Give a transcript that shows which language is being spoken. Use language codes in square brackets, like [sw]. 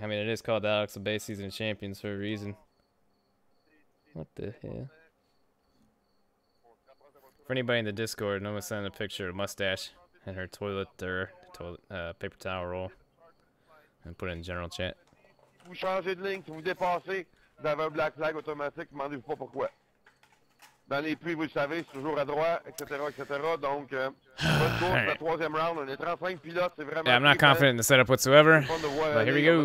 [en] I mean, it is called the Alex Labbe Season of Champions for a reason. What the hell? For anybody in the Discord, no one sent a picture of mustache and her toilet or toilet paper towel roll and put it in general chat. [fr] Vous changez de ligne, si vous dépassez, vous avez un black flag automatique, demandez-vous pas pourquoi. Dans les puits, vous le savez, c'est toujours à droite, etc., etc. Donc, bonne course, le troisième round, on est 35 pilotes, c'est vraiment... [en] Yeah, I'm not confident in the setup whatsoever, but here we go.